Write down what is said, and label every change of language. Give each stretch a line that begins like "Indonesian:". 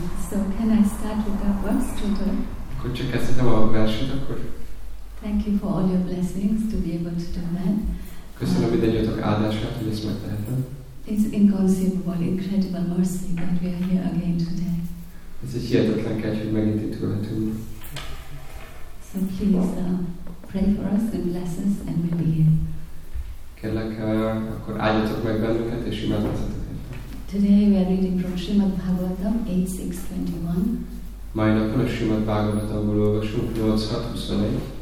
English: So can I start with that verse, Tudor?
Hungarian: Akkor csak kezdhetem a verset akkor.
English: Thank you for all your blessings to be able to do that.
Hungarian: Köszönöm mindenjátok áldását, hogy ezt megtehetem.
English: It's inconceivable, incredible mercy that we are here again today.
Hungarian: Ez egy hihetetlen kegy, hogy megint itt ülhetünk.
English: So please pray for us and bless us and we'll be here.
Hungarian: Kérlek, akkor áldjatok meg bennünket és imádkozzatok érte.
English: Today we are reading from Srimad Bhagavatam 8.6.21.
Hungarian: Mai napon a Srimad Bhagavatamból olvasunk 8.6.21.